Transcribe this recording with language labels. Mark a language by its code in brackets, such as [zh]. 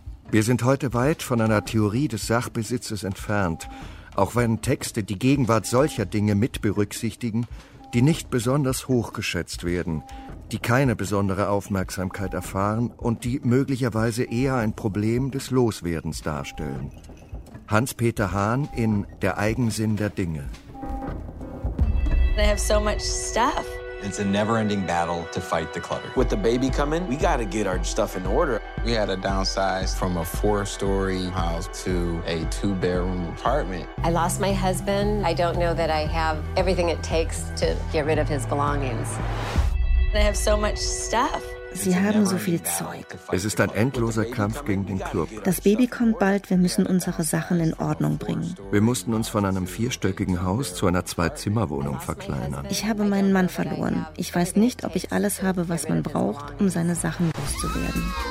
[de] Wir sind heute weit von einer Theorie des Sachbesitzes entfernt, auch wenn Texte die Gegenwart solcher Dinge mit berücksichtigen, die nicht besonders hoch geschätzt werden, die keine besondere Aufmerksamkeit erfahren und die möglicherweise eher ein Problem des Loswerdens darstellen. Hans-Peter Hahn in Der Eigensinn der Dinge. [en] They have so much stuff. It's a never-ending battle to fight the clutter. With the baby coming, we gotta get our stuff in order. We had to downsize from a 4-story house to a 2-bedroom apartment. I lost my husband. I don't know that I have everything it takes to get rid of his belongings. They have so much stuff. [de] Sie haben so viel Zeug. Es ist ein endloser Kampf gegen den Club. Das Baby kommt bald, wir müssen unsere Sachen in Ordnung bringen. Wir mussten uns von einem 4-stöckigen Haus zu einer 2-Zimmer-Wohnung verkleinern. Ich habe meinen Mann verloren. Ich weiß nicht, ob ich alles habe, was man braucht, um seine Sachen loszuwerden.